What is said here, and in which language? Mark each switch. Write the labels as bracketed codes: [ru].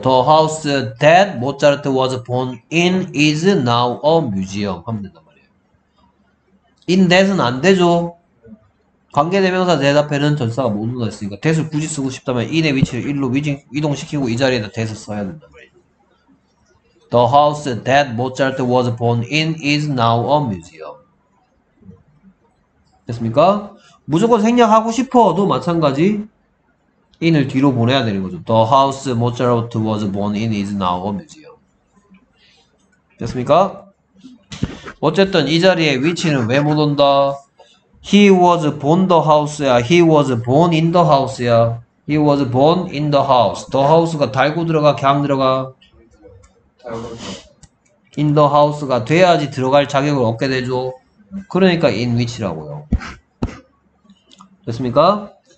[en] The house that Mozart was born in is now a museum. [ko] 하면 된단 말이에요. [en] In that [ko] 은 안 되죠. 관계대명사 대답에는 전사가 모두 나 있으니까 that을 굳이 쓰고 싶다면 in의 위치를 일로 이동시키고 이 자리에다 that을 써야 된단 말이에요. [en] The house that Mozart was born in is now a museum. [ko] 됐습니까? 무조건 생략하고 싶어도 마찬가지. in을 뒤로 보내야 되는 거죠. [en] The house Mozart was born in is now a museum. [ko] 됐습니까? 어쨌든 이 자리에 위치는 왜 못 온다? [en] He was born the house야. He was born in the house야. He was born in the house. The house가 [ko] 달고 들어가, 그냥 들어가? 달고. [en] In the house [ko] 가 돼야지 들어갈 자격을 얻게 되죠. 그러니까 [en] in which [ko] 라고요. 됐습니까?